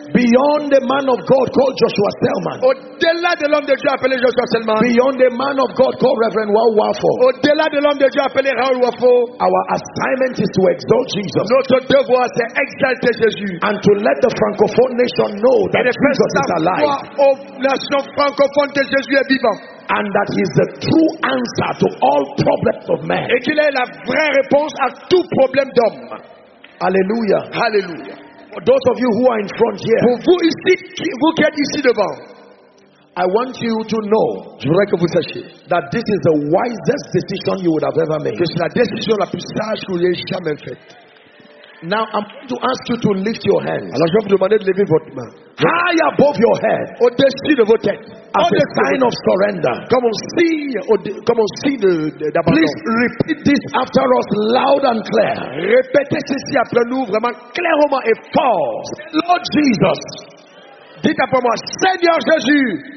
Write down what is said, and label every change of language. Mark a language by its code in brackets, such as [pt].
[en] Beyond the man of God called Joshua Selman. [fr] Au-delà de l'homme de Dieu appelé Joshua Selman. [en] Beyond the man of God called Reverend Raoul Wafo. [fr] Au-delà de l'homme de Dieu appelé Raoul Wafo. [en] Our assignment is to exalt Jesus. [fr] Notre devoir c'est exalter Jésus. [en] And to let the francophone nation know that Jesus is alive. [fr] Aux nations francophones que Jésus est vivant. [en] And that He is the true answer to all problems of man. [fr] Et qu'il est la vraie réponse à tout problème d'homme. Alléluia. Alléluia. [en] For those of you who are in front here. [fr] Pour vous ici, vous qui êtes ici devant. [en] I want you to know, [fr] je voudrais que vous sachiez, [en] that this is the wisest decision you would have ever made. [fr] Que c'est la décision la plus sage que vous ayez jamais faite. [en] Now I'm going to ask you to lift your hands. [fr] Alors je vais vous demander de lever votre main. [en] High above your head, [fr] au-dessus de vos têtes, [en] as a sign of surrender. Come on, see the d'abandon. Please repeat this after us, loud and clear. [fr] Répétez ceci après nous vraiment clairement et fort. [en] Lord Jesus, [fr] dites après moi, Seigneur Jésus,